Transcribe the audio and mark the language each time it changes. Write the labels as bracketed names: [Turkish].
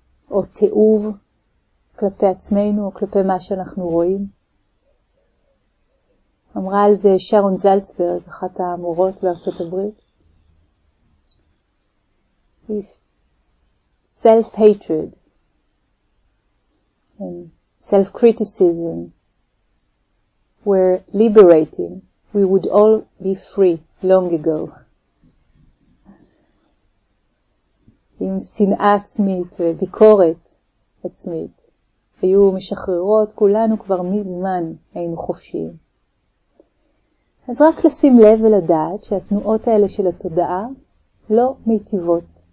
[Hebrew] או תיאוב כלפי עצמנו או כלפי מה שאנחנו רואים. אמרה על זה שרון זלצברג, אחת המורות בארצות הברית. [English] Self-hatred and self-criticism were liberating, we would all be free long ago. [Hebrew] עם שנאה עצמית וביקורת עצמית, היו משחררות, כולנו כבר מזמן היינו חופשיים. אז רק לשים לב ולדעת שהתנועות האלה של התודעה לא מיטיבות.